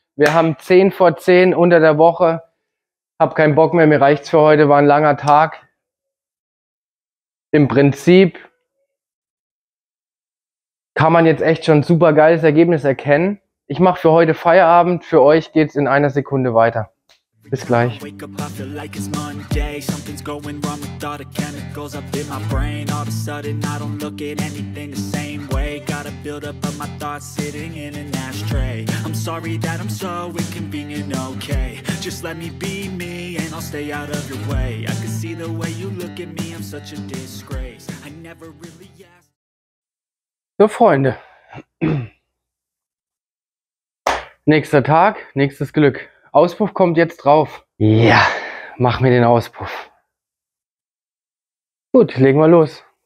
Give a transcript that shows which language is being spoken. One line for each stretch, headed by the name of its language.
German: Wir haben 10 vor 10 unter der Woche. Hab keinen Bock mehr, mir reicht's für heute. War ein langer Tag. Im Prinzip kann man jetzt echt schon ein super geiles Ergebnis erkennen. Ich mache für heute Feierabend. Für euch geht's in einer Sekunde weiter. Bis gleich.
English: Wake up, I feel like it's Monday. Something's going wrong with all the chemicals up in my brain. All of a sudden, I don't look at anything the same way. Gotta build up of my thoughts sitting in an ashtray. I'm sorry that I'm so inconvenient, okay. Just let me be me and I'll stay out of your way. I can see the way you look at me, I'm such a disgrace. I never really asked.
German: So, Freunde. Nächster Tag, nächstes Glück. Auspuff kommt jetzt drauf. Ja, mach mir den Auspuff. Gut, legen wir los.